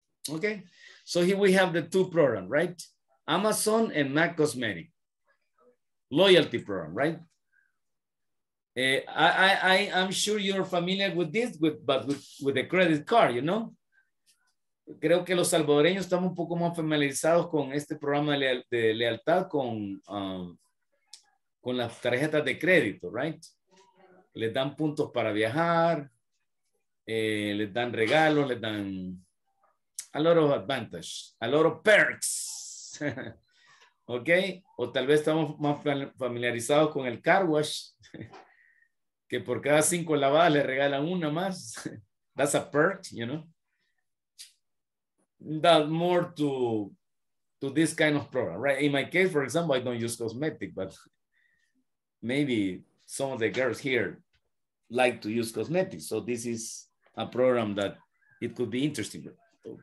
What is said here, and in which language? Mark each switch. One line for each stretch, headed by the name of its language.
English: Okay, so here we have the two programs, right? Amazon and MAC Cosmetic. Loyalty program, right? I'm sure you're familiar with this, but with the credit card, you know?
Spanish: Creo que los salvadoreños estamos un poco más familiarizados con este programa de lealtad con las tarjetas de crédito, right? Les dan puntos para viajar, les dan regalos, les dan
English: a lot of advantages, a lot of perks.
Spanish: Ok, o tal vez estamos más familiarizados con el car wash, que por cada 5 lavadas le regalan una más.
English: That's a perk, you know. That more to this kind of program, right? In my case, for example, I don't use cosmetic, but maybe some of the girls here like to use cosmetics. So this is a program that it could be interesting. Oops.